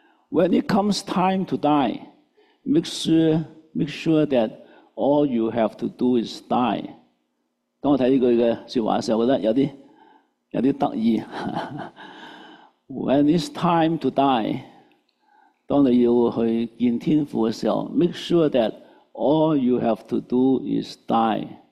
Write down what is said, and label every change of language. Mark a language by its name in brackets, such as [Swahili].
[English] When it comes time to die, make sure that all you have to do is die。 [Cantonese] 当我睇呢句嘅说话嘅时候，我觉得有啲得意。 [English] When it's time to die， [Cantonese] 当你要去见天父嘅时候 [English] ，make sure that all you have to do is die。